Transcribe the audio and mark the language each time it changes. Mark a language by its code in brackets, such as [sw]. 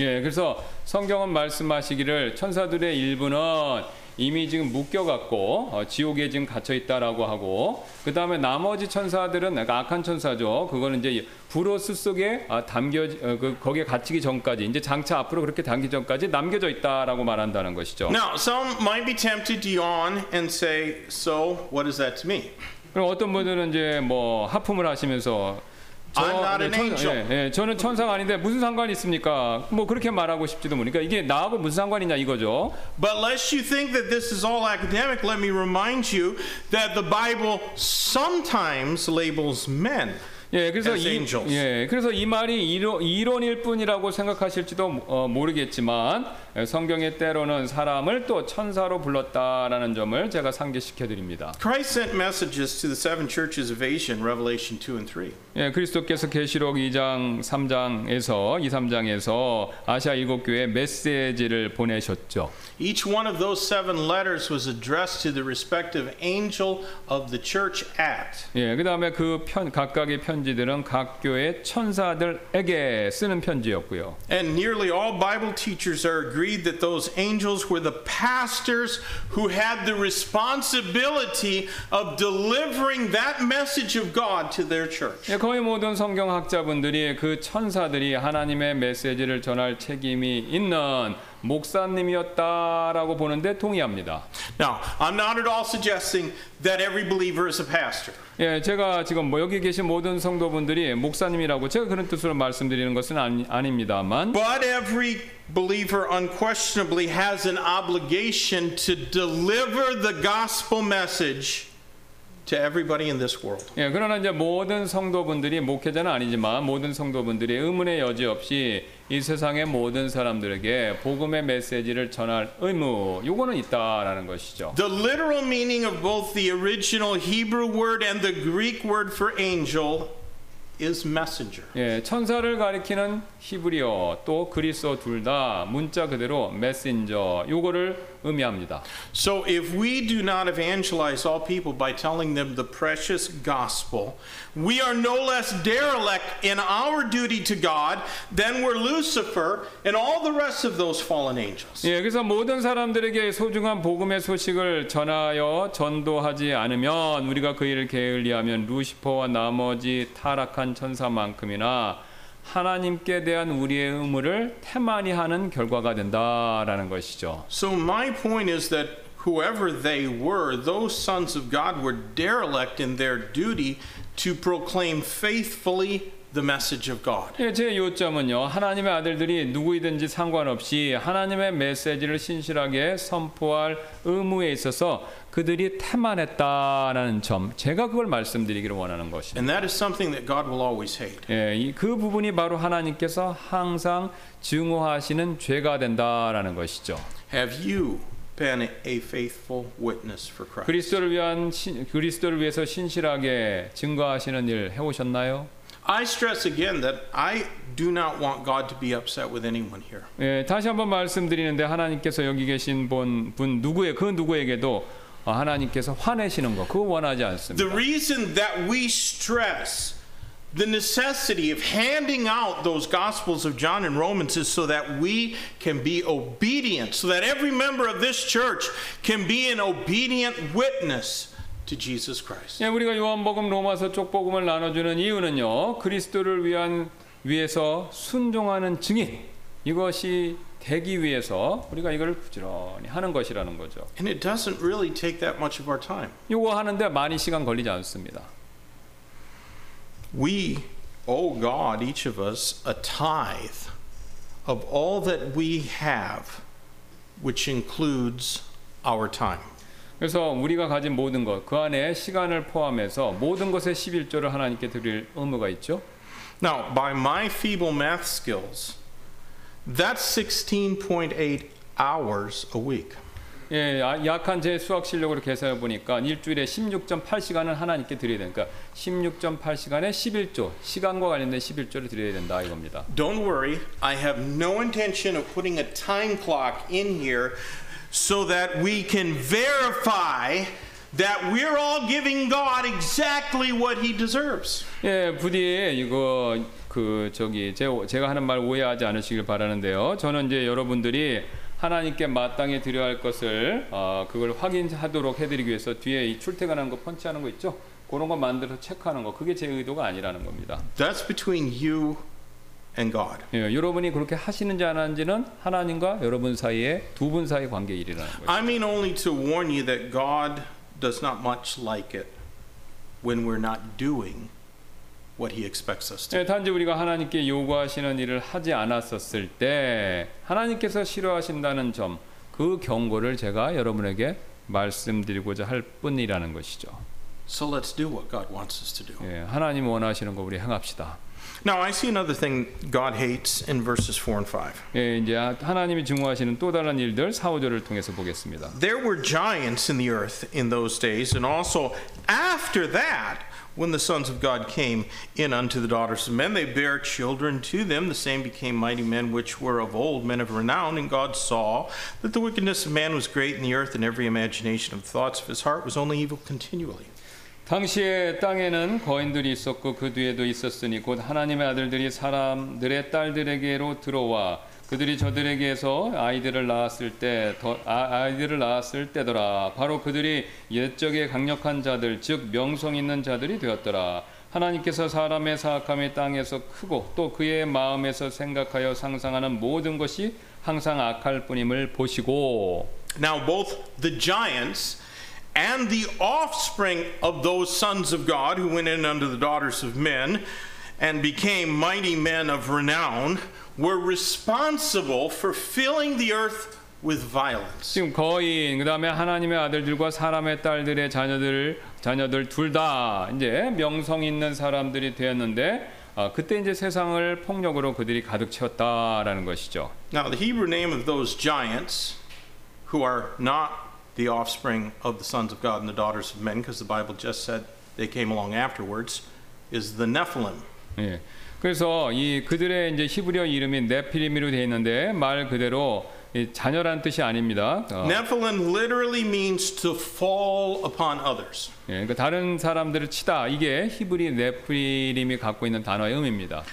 [ko] 예, 그래서 성경은 말씀하시기를 천사들의 일부는 이미 지금 묶여갔고 지옥에 지금 갇혀 있다라고 하고 그 다음에 나머지 천사들은 악한 천사죠. 그거는 이제 불옷 속에 담겨 거기에 갇히기 전까지 이제 장차 앞으로 그렇게 담기 전까지 남겨져 있다라고 말한다는 것이죠. [en] Now some might be tempted to yawn and say, "So what is that to me?" [ko] 그럼 어떤 분들은 이제 뭐 하품을 하시면서 [en] I'm not an angel. [ko] 예, 예, 저는 천사 아닌데 무슨 상관이 있습니까? 뭐 그렇게 말하고 싶지도 모르니까 이게 나하고 무슨 상관이냐 이거죠. [en] But lest you think that this is all academic, let me remind you that the Bible sometimes labels men. [ko] 예, 그래서 [en] as angels. [ko] 예, 그래서 이 말이 이론일 뿐이라고 생각하실지도 모르겠지만 성경의 때로는 사람을 또 천사로 불렀다라는 점을 제가 상기시켜드립니다. [en] Christ sent messages to the seven churches of Asia in Revelation 2 and 3. [ko] 예, 그리스도께서 계시록 2장 3장에서 2, 3장에서 아시아 일곱 교회 메시지를 보내셨죠. [en] Each one of those seven letters was addressed to the respective angel of the church at. [ko] 예, 그다음에 그 편 각각의 편 편지들은 각 교회 천사들에게 쓰는 편지였고요. [en] And nearly all Bible teachers are agreed that those angels were the pastors who had the responsibility of delivering that message of God to their church. [ko] 거의 모든 성경학자분들이 그 천사들이 하나님의 메시지를 전할 책임이 있는 목사님이었다라고 보는데 동의합니다. [en] Now, I'm not at all suggesting that every believer is a pastor. [ko] 예, 제가 지금 뭐 여기 계신 모든 성도분들이 목사님이라고 제가 그런 뜻으로 말씀드리는 것은 아닙니다만. [en] But every believer unquestionably has an obligation to deliver the gospel message to everybody in this world. [ko] 예, 그러나 이제 모든 성도분들이 목회자는 아니지만 모든 성도분들이 의문의 여지 없이 이 세상의 모든 사람들에게 복음의 메시지를 전할 의무 요거는 있다라는 것이죠. [en] The literal meaning of both the original Hebrew word and the Greek word for angel is messenger. [ko] 예, 천사를 가리키는 히브리어 또 그리스어 둘 다 문자 그대로 메신저 요거를 의미합니다. [en] So if we do not evangelize all people by telling them the precious gospel, we are no less derelict in our duty to God than were Lucifer and all the rest of those fallen angels. [ko] 예, 그래서 모든 사람들에게 소중한 복음의 소식을 전하여 전도하지 않으면 우리가 그 일을 게을리하면 루시퍼와 나머지 타락한 천사만큼이나 하나님께 대한 우리의 의무를 태만히 하는 결과가 된다라는 것이죠. [en] So my point is that whoever they were, those sons of God were derelict in their duty to proclaim faithfully the message of God. [ko] 예, 제 요점은요. 하나님의 아들들이 누구이든지 상관없이 하나님의 메시지를 신실하게 선포할 의무에 있어서 그들이 태만했다라는 점 제가 그걸 말씀드리기를 원하는 것입니다. [en] And that is something that God will always hate. [ko] 예, 그 부분이 바로 하나님께서 항상 증오하시는 죄가 된다라는 것이죠. [en] Have you been a faithful witness for Christ? [ko] 그리스도를 위해서 신실하게 증거하시는 일 해 오셨나요? [en] I stress again that I do not want God to be upset with anyone here. [ko] 예, 다시 한번 말씀드리는데 하나님께서 여기 계신 분 누구의 그 누구에게도 하나님께서 화내시는 거 그거 원하지 않습니다. [en] The reason that we stress the necessity of handing out those gospels of John and Romans is so that we can be obedient, so that every member of this church can be an obedient witness to Jesus Christ. [ko] 예, 우리가 요한복음 로마서 쪽복음을 나눠주는 이유는요, 그리스도를 위해서 순종하는 증인 이것이 되기 위해서 우리가 이걸 부지런히 하는 것이라는 거죠. [en] And it doesn't really take that much of our time. [ko] 이거 하는데 많이 시간 걸리지 않습니다. [en] We owe God, each of us, a tithe of all that we have, which includes our time. [ko] 그래서 우리가 가진 모든 것, 그 안에 시간을 포함해서 모든 것의 십일조를 하나님께 드릴 의무가 있죠. [en] Now, by my feeble math skills, that's 16.8 hours a week. [ko] 예, 약한 제 수학 실력으로 계산해 보니까 일주일에 16.8시간을 하나님께 드려야 되니까 16.8시간에 11조, 시간과 관련된 11조를 드려야 된다 이겁니다. [en] Don't worry, I have no intention of putting a time clock in here so that we can verify that we're all giving God exactly what he deserves. [ko] 예, 부디 이거 제가 하는 말 오해하지 않으시길 바라는데요. 저는 이제 여러분들이 하나님께 마땅히 드려야 할 것을 그걸 확인하도록 해드리기 위해서 뒤에 이 출퇴근하는 거 펀치하는 거 있죠? 그런 거 만들어서 체크하는 거 그게 제 의도가 아니라는 겁니다. [en] That's between you and God. [ko] 예, 여러분이 그렇게 하시는지 안 하는지는 하나님과 여러분 사이에 두 분 사이 관계 일이라는 거예요. [en] I mean only to warn you that God does not much like it when we're not doing what he expects us to. [ko] 예, 단지 우리가 하나님께 요구하시는 일을 하지 않았었을 때 하나님께서 싫어하신다는 점 그 경고를 제가 여러분에게 말씀드리고자 할 뿐이라는 것이죠. [en] So let's do what God wants us to do. [ko] 예, 하나님 원하시는 거 우리 행합시다. [en] Now I see another thing God hates in verses 4 and 5. [ko] 예, 이제 하나님이 증오하시는 또 다른 일들 4-5절을 통해서 보겠습니다. [en] There were giants in the earth in those days and also after that when the sons of God came in unto the daughters of men, they bare children to them. The same became mighty men which were of old, men of renown. And God saw that the wickedness of man was great in the earth, and every imagination of the thoughts of his heart was only evil continually. [ko] 당시에 땅에는 거인들이 있었고 그 뒤에도 있었으니 곧 하나님의 아들들이 사람들의 딸들에게로 들어와 그들이 저들에게서 아이들을 낳았을 때 아이들을 낳았을 때더라. 바로 그들이 옛적의 강력한 자들, 즉 명성 있는 자들이 되었더라. 하나님께서 사람의 사악함이 땅에서 크고 또 그의 마음에서 생각하여 상상하는 모든 것이 항상 악할 뿐임을 보시고. [en] Now both the giants and the offspring of those sons of God who went in unto the daughters of men and became mighty men of renown were responsible for filling the earth with violence. [ko] 지금 거인, 그다음에 하나님의 아들들과 사람의 딸들의 자녀들 둘 다 이제 명성 있는 사람들이 되었는데 그때 이제 세상을 폭력으로 그들이 가득 채웠다라는 것이죠. [en] Now the Hebrew name of those giants who are not the offspring of the sons of God and the daughters of men, because the Bible just said they came along afterwards, is the Nephilim. [ko] 예. 그래서 이 그들의 이제 히브리어 이름이 네피림으로 되어 있는데 말 그대로 자녀란 뜻이 아닙니다. [en] Nephilim literally means to fall upon others. [ko] 예, 그러니까 다른 사람들을 치다. 이게 히브리 네피림이 갖고 있는 단어의 의미입니다.